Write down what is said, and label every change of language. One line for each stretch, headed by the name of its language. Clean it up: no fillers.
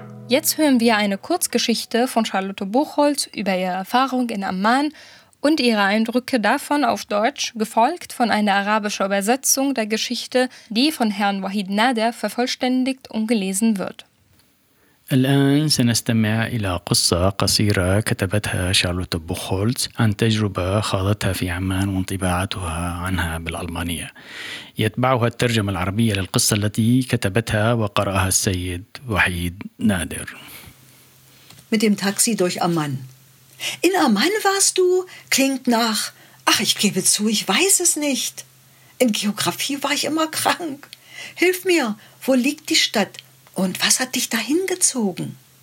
German: Jetzt hören wir eine Kurzgeschichte von Charlotte Buchholz über ihre Erfahrung in Amman und ihre Eindrücke davon auf Deutsch, gefolgt von einer arabischen Übersetzung der Geschichte, die von Herrn Wahid Nader vervollständigt und gelesen wird.
Arabic: الآن سنستمع إلى قصة قصيرة كتبتها شارلوت بوخولتز عن تجربة خاضتها في عمان وانطباعاتها عنها بالألمانية. يتبعها الترجمة العربية للقصة التي كتبتها وقرأها السيد وحيد نادر.
German: Mit dem Taxi durch Amman. In Amman warst du? Klingt nach. Ach, ich gebe zu, ich weiß es nicht. In Geografie war ich immer krank. Hilf mir, wo liegt die Stadt? Und was hat dich dahin gezogen?